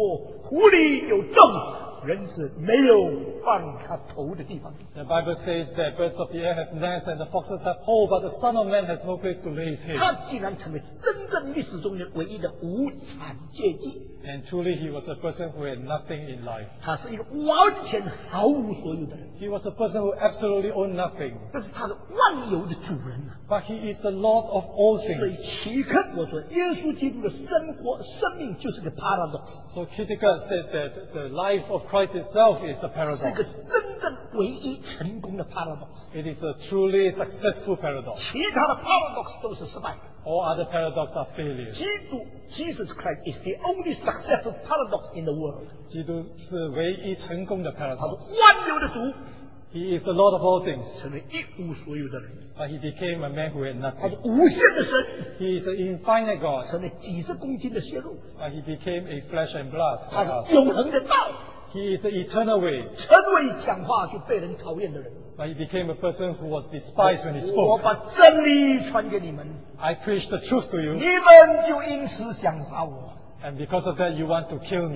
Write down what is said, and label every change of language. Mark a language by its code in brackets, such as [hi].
[zh] 圣经说天上的飞鸟有窝，狐狸有洞。人是没有放他头的地方。 [en] The Bible says that birds of the air have nests and the foxes have holes, but the Son of Man has no place to lay his head. [zh] 他竟然成为真正历史中的唯一的无产阶级。 [en] And truly he was a person who had nothing in life. [zh] 他是一个完全毫无所有的人。 [en] He was a person who absolutely owned nothing. [zh] 但是他是万有的主人。 [en] But he is the Lord of all things. [zh] 所以奇克我说耶稣基督的生活生命就是个 paradox. [en] So Kitika said that the life of Christ itself is a paradox. [zh] 是一个真正唯一成功的 paradox. [en] It is a truly successful paradox. [zh] 其他的 paradox 都是失败。 [en] All other paradoxes are failures. Jesus Christ is the only successful paradox in the world. [zh] 基督是唯一成功的 paradox. 他是万有的主。 [en] He is the Lord of all things. [zh] 成为一无所有的人。 [en] But he became a man who had nothing. [zh] 他是无限的神。 [en] He is an infinite God. [zh] 成为几十公斤的血肉。 [en] But he became a flesh and blood. [zh] 他是永恒的道。 [en] He is the eternal way. [zh] 成为讲话就被人讨厌的人。 [en] But he became a person who was despised when he spoke. [zh] 我把真理传给你们。 [en] I preach the truth to you. [zh] 你们就因此想杀我。 [en] And because of that, you want to kill me.